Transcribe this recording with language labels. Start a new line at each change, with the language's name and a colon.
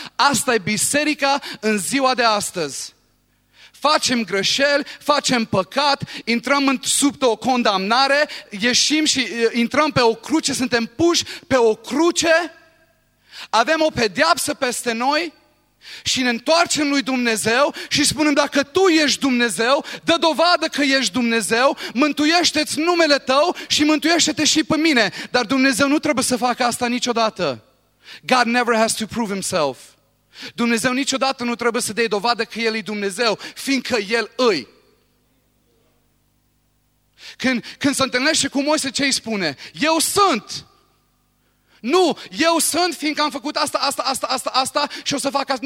Romanian: Asta e biserica în ziua de astăzi. Facem greșeli, facem păcat, intrăm sub o condamnare, ieșim și intrăm pe o cruce, suntem puși pe o cruce, avem o pedeapsă peste noi și ne întoarcem lui Dumnezeu și spunem: dacă tu ești Dumnezeu, dă dovadă că ești Dumnezeu, mântuiește-ți numele tău și mântuiește-te și pe mine. Dar Dumnezeu nu trebuie să facă asta niciodată.
English: God never has to prove himself.
Romanian: Dumnezeu niciodată nu trebuie să dea dovadă că El e Dumnezeu, fiindcă El îi. Când se întâlnește cu Moise, ce îi spune? Eu sunt! Nu, eu sunt fiindcă am făcut asta, asta, asta, asta, asta și o să fac asta.